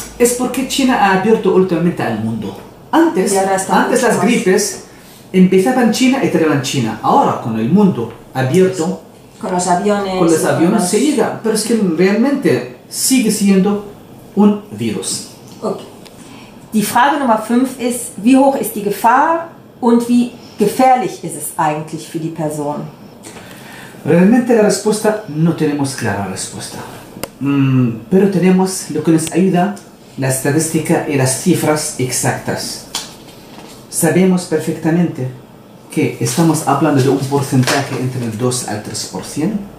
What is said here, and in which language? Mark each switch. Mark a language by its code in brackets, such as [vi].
[es] Es porque China ha abierto últimamente al mundo. Antes las gripes empezaban en China y terminaban en China. Ahora, con el mundo abierto... Con los aviones... Con los aviones se llega. Pero es que realmente sigue siendo un virus. Ok. [de] Die Frage Nummer 5 ist, wie hoch ist die Gefahr und wie gefährlich ist es eigentlich für die Person? [es] Realmente la respuesta, no tenemos clara respuesta. Pero tenemos lo que nos ayuda, la estadística y las cifras exactas. Sabemos perfectamente que estamos hablando de un porcentaje entre el 2 al 3%.